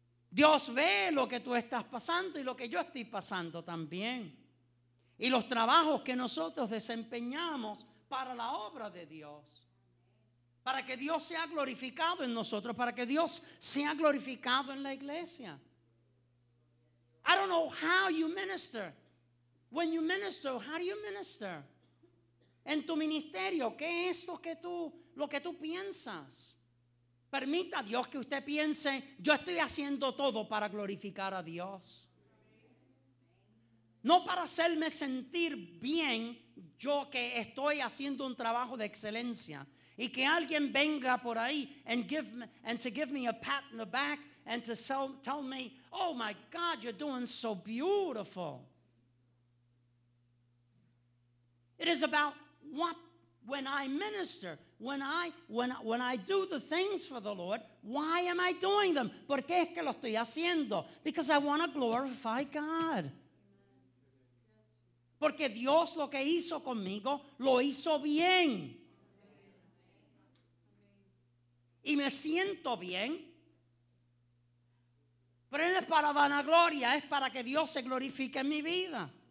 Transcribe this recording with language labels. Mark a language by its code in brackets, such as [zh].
[es] Dios ve lo que tú estás pasando y lo que yo estoy pasando también, y los trabajos que nosotros desempeñamos para la obra de Dios, para que Dios sea glorificado en nosotros, para que Dios sea glorificado en la iglesia. [en] I don't know how you minister. When you minister, how do you minister? [es] En tu ministerio, ¿qué es lo que tú piensas? Permita a Dios que usted piense, yo estoy haciendo todo para glorificar a Dios. No para hacerme sentir bien yo, que estoy haciendo un trabajo de excelencia, y que alguien venga por ahí [en] and to give me a pat on the back and to tell me, oh my God, you're doing so beautiful. It is about what, when I minister, when I do the things for the Lord, why am I doing them? [es] ¿Por qué es que lo estoy haciendo? [en] Because I want to glorify God. [es] Porque Dios lo que hizo conmigo, lo hizo bien. Y me siento bien. Pero no es para vanagloria, es para que Dios se glorifique en mi vida.